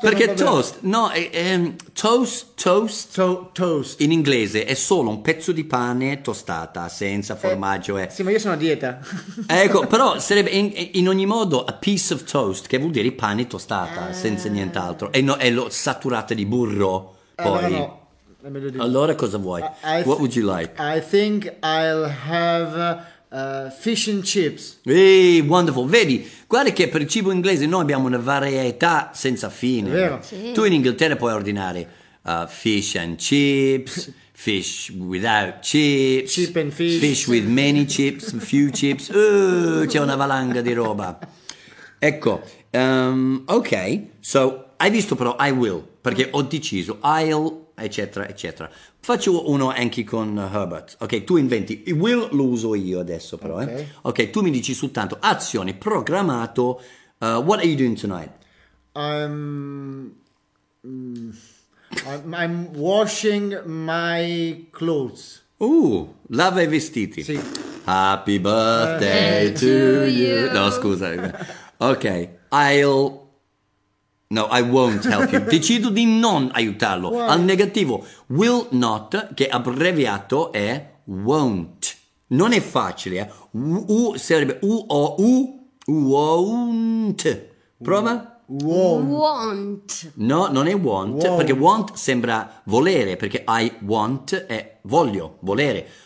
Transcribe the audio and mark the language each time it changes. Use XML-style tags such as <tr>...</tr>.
<it>Perché toast, no, toast in inglese è solo un pezzo di pane tostata, senza formaggio. Sì, ma io sono a dieta. Ecco, però sarebbe in ogni modo</it> <en>a piece of toast,</en> <it>che vuol dire pane tostata, senza nient'altro. E no, è lo saturata di burro, poi. No. Allora cosa vuoi?</it> <en>What would you like? I think I'll have fish and chips. Hey, wonderful.</en> <it>Vedi, guarda che per il cibo inglese noi abbiamo una varietà senza fine. È vero. Sì. Tu in Inghilterra puoi ordinare fish and chips, fish without chips,</it> <en>chip and fish. Fish with many chips, few chips.</en> <it>C'è una valanga di roba. Ecco, ok. So, hai visto però I will, perché ho deciso I'll, eccetera, eccetera. Faccio uno anche con Herbert. Ok, tu inventi. Will lo uso io adesso però. Okay. Ok, tu mi dici soltanto azione, programmato.</it> <en>What are you doing tonight? I'm washing my clothes.</en> <it>Lava i vestiti. Sì.</it> <en>Happy birthday to you.</en> <it>No, scusa.</it> <en>Ok, I'll No, I won't help you.</en> <it>Decido di non aiutarlo.</it> <en>Why?</en> <it>Al negativo, will not, che abbreviato è won't. Non è facile, eh? U sarebbe U-O-U, won't. Prova?</it> <en>Won't.</en> <it>No, non è want, won't, perché want sembra volere, perché I want è voglio, volere.</it>